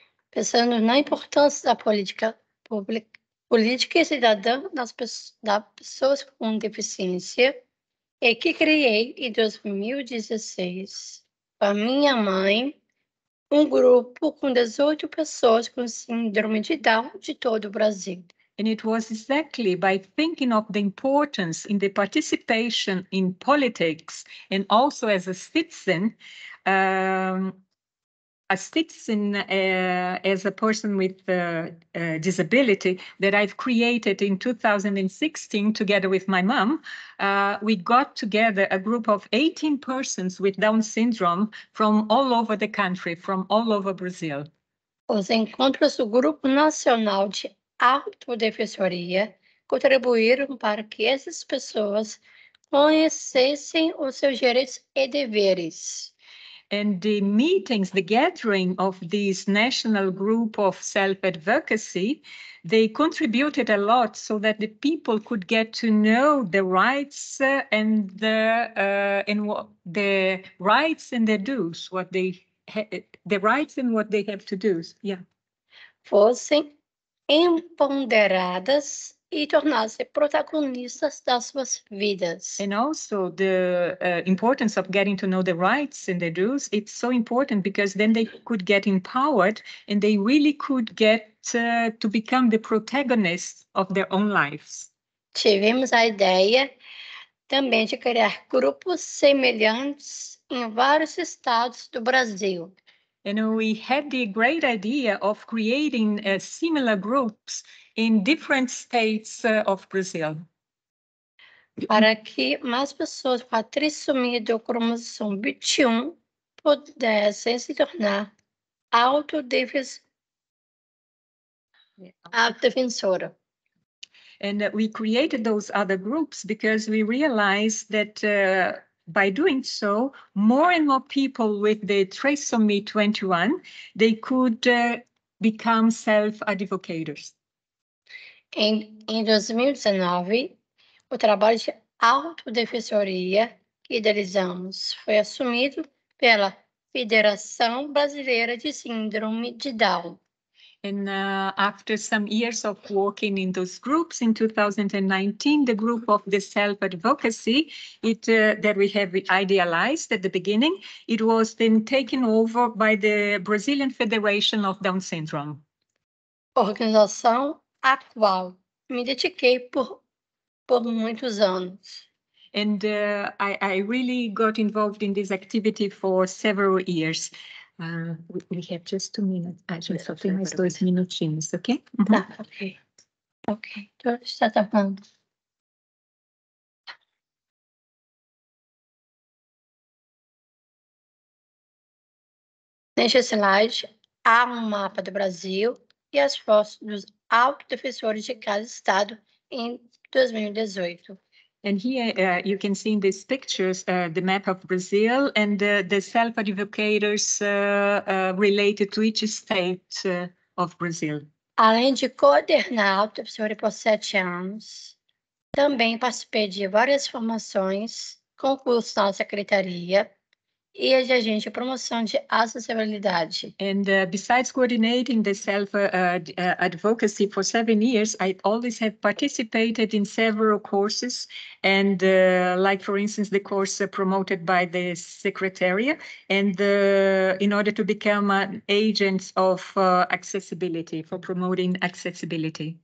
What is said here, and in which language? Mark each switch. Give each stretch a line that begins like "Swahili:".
Portuguese: Pensando na importância da política pública, política e cidadã das pessoas com deficiência, e que criei em 2016. Com a minha mãe, um grupo com 18 pessoas com síndrome de Down de todo o Brasil.
English: And it was exactly by thinking of the importance in the participation in politics and also as a citizen, as a person with disability that I've created in 2016 together with my mom. We got together a group of 18 persons with Down syndrome from all over the country, from all over Brazil.
Portuguese: Os encontros do Grupo Nacional de Autodefensoria contribuíram para que essas pessoas conhecessem os seus direitos e deveres.
English: And the meetings, the gathering of this national group of self-advocacy, they contributed a lot so that the people could get to know the rights and what their rights and what they have to do. Yeah.
Portuguese: Fossem empoderadas e tornar-se protagonistas das suas vidas.
English: And also the importance of getting to know the rights and the dues, it's so important because then they could get empowered and they really could get to become the protagonists of their own lives.
Portuguese: Tivemos a ideia também de criar grupos semelhantes em vários estados do Brasil.
English: And we had the great idea of creating similar groups in different states of Brazil.
Portuguese: Para que mais pessoas com a trissomia do cromossomo 21 pudessem se tornar autodefensora.
English: And we created those other groups because we realized that by doing so, more and more people with the trisomy 21, they could become self-advocators.
Portuguese: Em 2019, o trabalho de autodefensoria que idealizamos foi assumido pela Federação Brasileira de Síndrome de Down.
English: And after some years of working in those groups in 2019, the group of the self-advocacy that we have idealized at the beginning, it was then taken over by the Brazilian Federation of Down Syndrome.
Portuguese: Organização a qual me dediquei por muitos anos.
English: And I really got involved in this activity for several years. We have just 2 minutes.
Portuguese: A gente só tem mais 2 minutinhos, ok? Tá, ok. Ok, então está tapando. Neste slide, há um mapa do Brasil e as fotos dos autodefensores de cada estado em 2018.
English: And here you can see in these pictures the map of Brazil and the self-advocators related to each state of Brazil.
Portuguese: Além de coordenar autodefensores por 7 anos, também participei de várias formações, concursos na secretaria e a de agente de promoção de acessibilidade.
English: And besides coordinating the self-advocacy for 7 years, I always have participated in several courses, and like, for instance, the course promoted by the secretariat, and in order to become an agent of accessibility, for promoting accessibility.